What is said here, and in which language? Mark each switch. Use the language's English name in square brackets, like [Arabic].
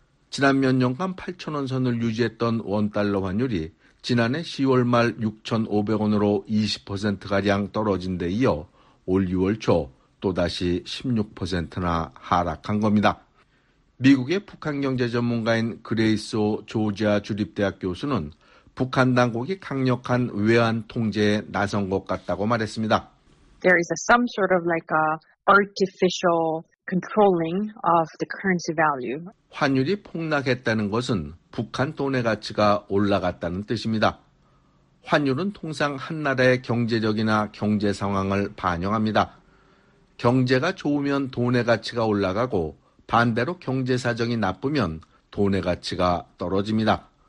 [Korean] 지난 몇 년간 8,000원 선을 유지했던 원달러 환율이 지난해 10월 말 6,500원으로 20%가량 떨어진 데 이어 올 6월 초 또다시 16%나 하락한 겁니다. 미국의 북한 경제 전문가인 그레이스 오 조지아 주립대학 교수는 북한 당국이 강력한 외환 통제에 나선 것 같다고 말했습니다. [English] There is some sort of like a artificial controlling of the currency value. [Korean] 환율이 폭락했다는 것은 북한 돈의 가치가 올라갔다는 뜻입니다. 환율은 통상 한 나라의 경제적이나 경제 상황을 반영합니다. 경제가 좋으면 돈의 가치가 올라가고 반대로 경제 사정이 나쁘면 돈의 가치가 떨어집니다.